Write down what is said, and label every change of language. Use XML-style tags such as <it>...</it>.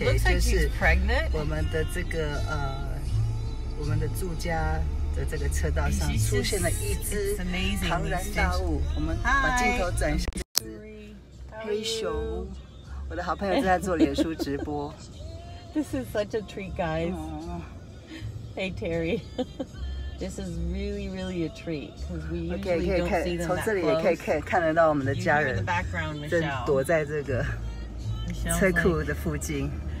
<en>like、</en> <zh>就是</zh> <en>pregnant。</en> <zh>我们的这个我们的住家的这个车道上出现了一只庞然大物。我们把镜头转向这只黑熊。我的好朋友正在做脸书直播。</zh> <en>This is such a treat, guys.、Hey, Terry. This is really, really a treat because we usually okay, don't see them that close.</en> <zh>从这里也可以看得到我们的家人正躲在这个车库的附近。</zh>